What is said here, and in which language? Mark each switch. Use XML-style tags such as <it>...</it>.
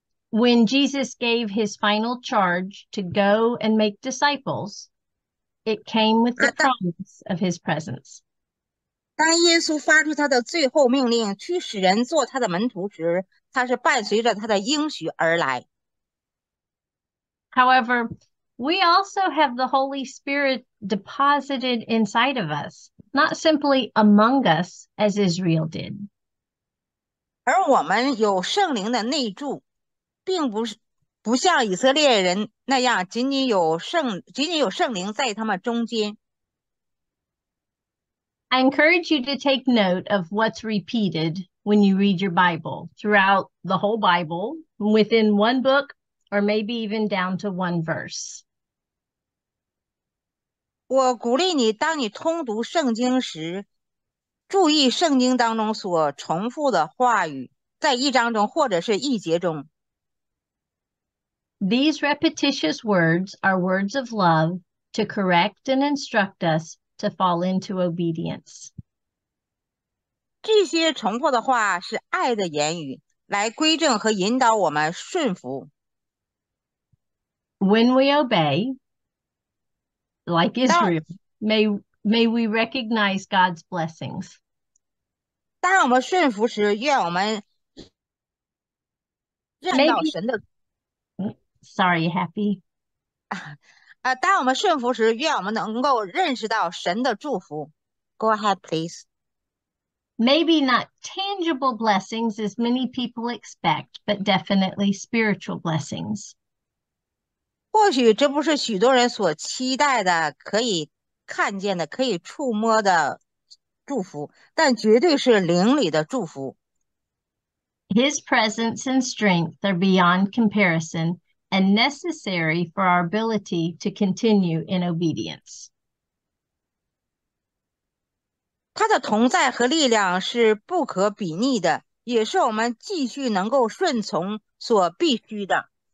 <en>When Jesus gave his final charge to go and make disciples, it came with the promise of his presence.</en> <zh>当耶稣发出他的最后命令，去使人做他的门徒时，他是伴随着他的应许而来。</zh> <en>However, we also have the Holy Spirit deposited inside of us, not simply among us as Israel did.</en> <zh>而我们有圣灵的内住，并不像以色列人那样仅仅有圣灵在他们中间。</zh> <en>I encourage you to take note of what's repeated when you read your Bible throughout the whole Bible, within one book, or maybe even down to one verse.</en> <zh>我鼓励你，当你通读圣经时，注意圣经当中所重复的话语，在一章中或者是一节中。</zh> <en>These repetitious words are words of love to correct and instruct us to fall into obedience.</en> <zh>这些重复的话是爱的言语，来规正和引导我们顺服。</zh> <en>When we obey, like Israel, may we recognize God's blessings.</en> <zh>当我们顺服时，愿我们认到神的。</zh> <en>Sorry, happy.</en> <zh>当我们顺服时，愿我们能够认识到神的祝福。</zh> <en>Go ahead, please. Maybe not tangible blessings as many people expect, but definitely spiritual blessings.</en> <zh>或许这不是许多人所期待的，可以看见的，可以触摸的祝福，但绝对是灵里的祝福。</zh> <en>His presence and strength are beyond comparison. And necessary for our ability to continue in obedience.</en> <zh>他的同在和力量是不可比拟的，也是我们继续能够顺从所必须的。</zh>